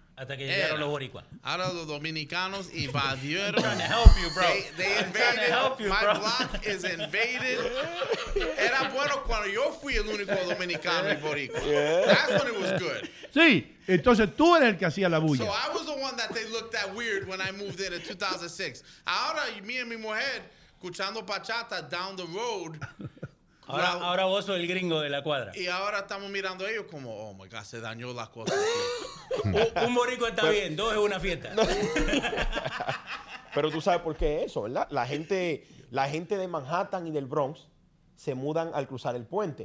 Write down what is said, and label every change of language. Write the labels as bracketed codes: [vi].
[es] Hasta que llegaron los boricuas. Ahora los dominicanos invadieron. [en] I'm trying to help you, bro. They invaded. I'm trying to help you, my bro. Block is invaded. [es] Era bueno cuando yo fui el único dominicano y boricua. [en] Yeah. That's when it was good. [es] Sí, entonces tú eres el que hacía la bulla. [en] So I was the one that they looked at weird when I moved in 2006. [es] Ahora, [en] me and [es] mi mujer, escuchando bachata [en] down the road. [es] Ahora vos sos el gringo de la cuadra. Y ahora estamos mirando a ellos como, [en] oh my God, [es] se dañó la cosa. un boricua está pero, bien, dos es una fiesta. No. Pero tú sabes por qué eso, ¿verdad? La gente de Manhattan y del Bronx se mudan al cruzar el puente.